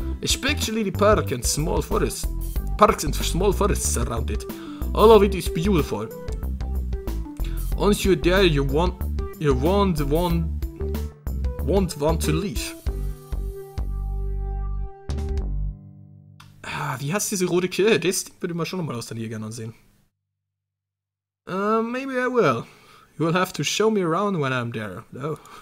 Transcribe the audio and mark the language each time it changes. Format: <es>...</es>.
<en>Especially the park and small forests. Parks and small forests around it. All of it is beautiful. Once you're there, you won't want to leave.</en> <de>Ah, wie heißt diese rote Kirche? Das würde ich mal schon mal aus der Nähe gerne ansehen.</de> <en>Maybe I will. You will have to show me around when I'm there, though.</en>